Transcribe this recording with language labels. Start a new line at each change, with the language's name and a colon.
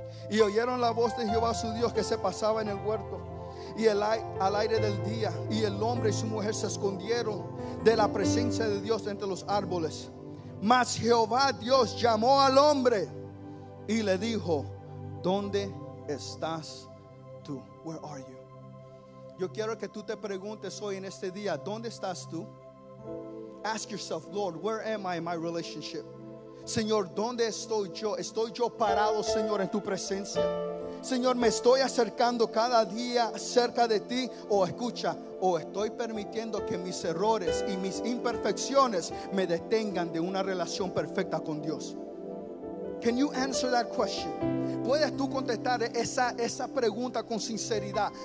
Spanish: Y oyeron la voz de Jehová su Dios que se pasaba en el huerto y al aire del día, y el hombre y su mujer se escondieron de la presencia de Dios entre los árboles. Mas Jehová Dios llamó al hombre y le dijo, ¿dónde estás tú?
English: Where are you?
Spanish: Yo quiero que tú te preguntes hoy en este día, ¿dónde estás tú?
English: Ask yourself, Lord, where am I in my relationship?
Spanish: Señor, ¿dónde estoy yo? ¿Estoy yo parado, Señor, en tu presencia? Señor, ¿me estoy acercando cada día cerca de ti? O escucha, o estoy permitiendo que mis errores y mis imperfecciones me detengan de una relación perfecta con Dios.
English: Can you answer that question?
Spanish: ¿Puedes tú contestar esa pregunta con sinceridad?